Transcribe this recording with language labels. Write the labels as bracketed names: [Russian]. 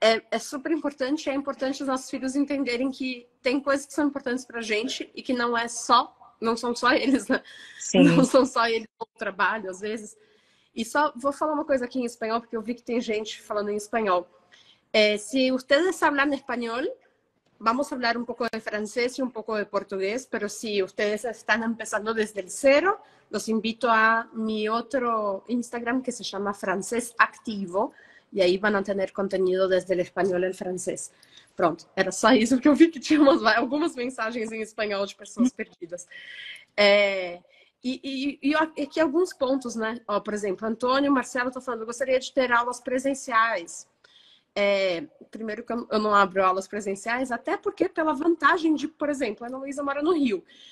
[Portuguese] É super importante, é importante os nossos filhos entenderem que tem coisas que são importantes para a gente e que não são só eles, né? Não Sim. são só eles no trabalho, às vezes. E só vou falar uma coisa aqui em espanhol, porque eu vi que tem gente falando em espanhol. [Spanish] Si ustedes hablan español, Vamos a hablar un poco de francés y un poco de portugués, pero si ustedes están empezando desde el cero, los invito a mi otro Instagram que se llama Francés Activo y ahí van a tener contenido desde el español al francés. [Portuguese] Pronto, era só isso, porque eu vi que tinha umas, algumas mensagens em espanhol de pessoas perdidas. E aqui alguns pontos, né? Ó, por exemplo, Antônio, Marcelo estão falando, gostaria de ter aulas presenciais. Primeiro que eu não abro aulas presenciais, até porque pela vantagem de, por exemplo, a Ana Luísa mora no Rio.